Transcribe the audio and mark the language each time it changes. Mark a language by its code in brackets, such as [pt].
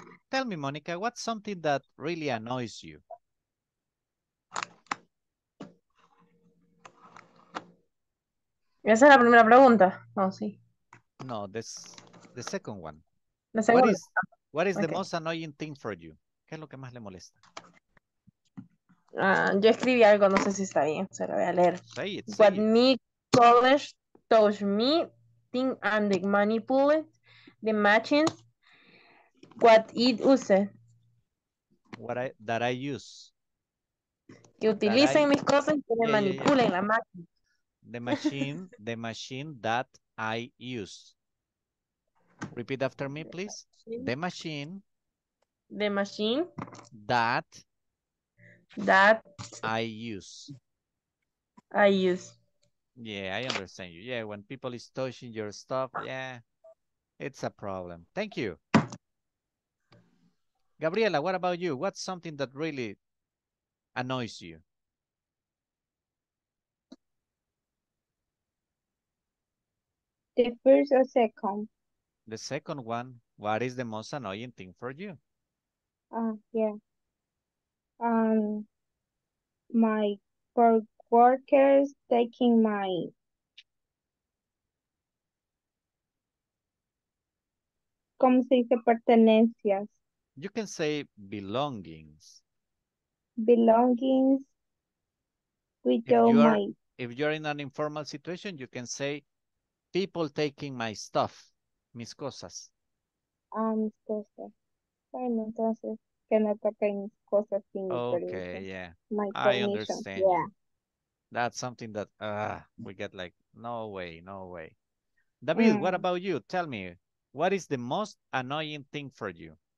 [en] Tell me, Monica, what's something that really annoys you? [es] Esa es la primera pregunta. No, sí. [en] No, this the second one. [es] La segunda. [en] What is okay. The most annoying thing for you? [es] ¿Qué es lo que más le molesta? Yo escribí algo, no sé si está bien, se lo voy a leer. [en] Say it, what say me it. College told me thing and the manipulate the machines what it uses. What I use. [es] Que utilicen mis cosas y que me manipulen la máquina. [en] The machine that I use. Repeat after me, please. The machine. That. I use. Yeah, I understand you. Yeah, when people is touching your stuff, yeah, it's a problem. Thank you. Gabriela, what about you? What's something that really annoys you? The first or second? The second one. What is the most annoying thing for you? My co-workers taking my ¿cómo se dice pertenencias? You can say belongings. Belongings without my. If you're in an informal situation, you can say people taking my stuff, mis cosas. [es] Mis cosas. Bueno, entonces, que no toquen mis cosas sin mi [en] permiso. Okay, yeah. My permission. I understand. Yeah. That's something that we get like, no way. David, yeah. What about you? Tell me, what is the most annoying thing for you?